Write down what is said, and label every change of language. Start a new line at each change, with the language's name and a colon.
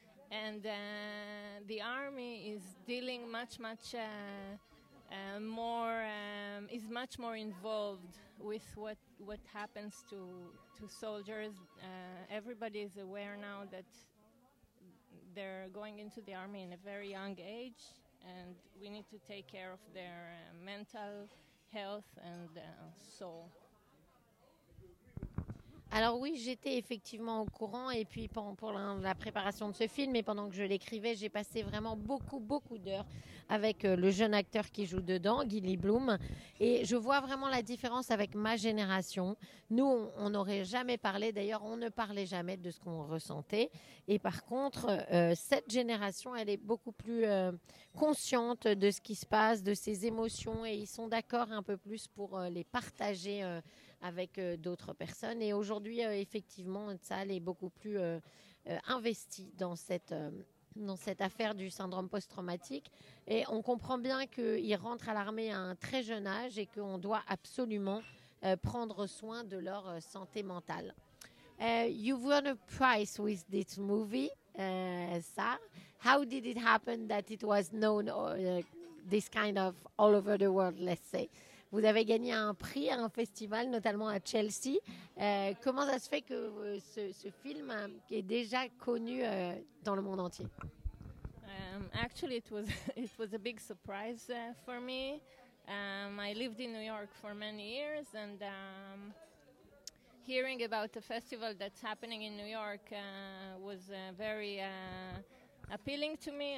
English: And the army is dealing much, much more, is much more involved with what happens to soldiers. Everybody is aware now that they're going into the army in a very young age, and we need to take care of their mental health and soul.
French: Alors oui, j'étais effectivement au courant, et puis pour la préparation de ce film et pendant que je l'écrivais, j'ai passé vraiment beaucoup, beaucoup d'heures avec le jeune acteur qui joue dedans, Gilly Blum, et je vois vraiment la différence avec ma génération. Nous, on n'aurait jamais parlé, d'ailleurs on ne parlait jamais de ce qu'on ressentait, et par contre, cette génération, elle est beaucoup plus consciente de ce qui se passe, de ses émotions, et ils sont d'accord un peu plus pour les partager avec d'autres personnes. Et aujourd'hui, effectivement, Tzal est beaucoup plus investi dans cette affaire du syndrome post-traumatique. Et on comprend bien qu'il rentre à l'armée à un très jeune âge et qu'on doit absolument prendre soin de leur santé mentale.
English: You won a prize with this movie, Sar. How did it happen that it was known this kind of all over the world, let's say?
French: Vous avez gagné un prix à un festival, notamment à Chelsea. Comment ça se fait que ce film est déjà connu dans le monde entier?
English: Actually, it was a big surprise for me. I lived in New York for many years, and hearing about the festival that's happening in New York was very appealing to me.